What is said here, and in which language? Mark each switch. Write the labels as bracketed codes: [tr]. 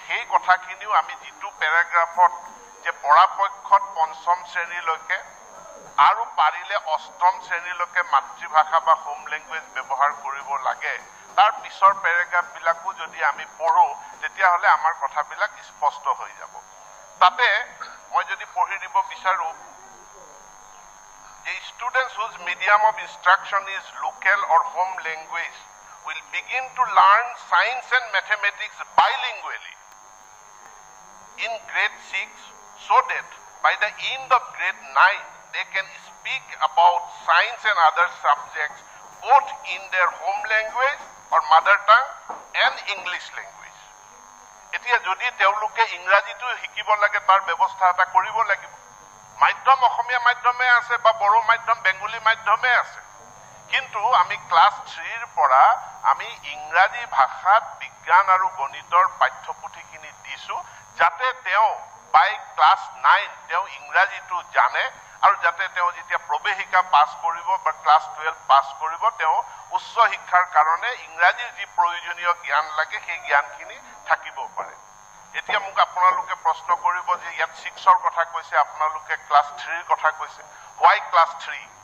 [as] সেই কথাখিনিও আমি যিটো পেৰাগ্ৰাফত যে পৰাপক্ষত পঞ্চম শ্ৰেণীলৈকে আৰু পাৰিলে অষ্টম শ্ৰেণীলৈকে মাতৃভাষা বা হোম লেংগুৱেজ ব্যৱহাৰ কৰিব লাগে, তাৰ পিছৰ পেৰাগ্ৰাফবিলাকো যদি আমি পঢ়োঁ তেতিয়াহ'লে আমাৰ কথাবিলাক স্পষ্ট হৈ যাব। তাতে মই যদি পঢ়ি দিব বিচাৰোঁ, [en] the students whose medium of instruction is local or home language will begin to learn science and mathematics bilingually in grade 6 so that by the end of grade 9 they can speak about science and other subjects both in their home language or mother tongue and English language. [as] এতিয়া যদি তেওঁলোকে ইংৰাজীটো শিকিব লাগে তাৰ ব্যৱস্থা এটা কৰিব লাগিব মাধ্যম অসমীয়া মাধ্যমে আছে বা বড়ো মাধ্যম বেংগলী মাধ্যমে আছে কিন্তু আমি ক্লাছ থ্ৰীৰ পৰা আমি ইংৰাজী ভাষাত বিজ্ঞান আৰু গণিতৰ পাঠ্যপুথিখিনি দিছোঁ যাতে তেওঁ বাই ক্লাছ 9 তেওঁ ইংৰাজীটো জানে আৰু যাতে তেওঁ যেতিয়া প্ৰৱেশিকা পাছ কৰিব বা ক্লাছ 12 পাছ কৰিব তেওঁ উচ্চ শিক্ষাৰ কাৰণে ইংৰাজীৰ যি প্ৰয়োজনীয় জ্ঞান লাগে সেই জ্ঞানখিনি থাকিব পাৰে এতিয়া মোক আপোনালোকে প্ৰশ্ন কৰিব যে ইয়াত 6ৰ কথা কৈছে আপোনালোকে ক্লাছ 3ৰ কথা কৈছে হোৱাই ক্লাছ 3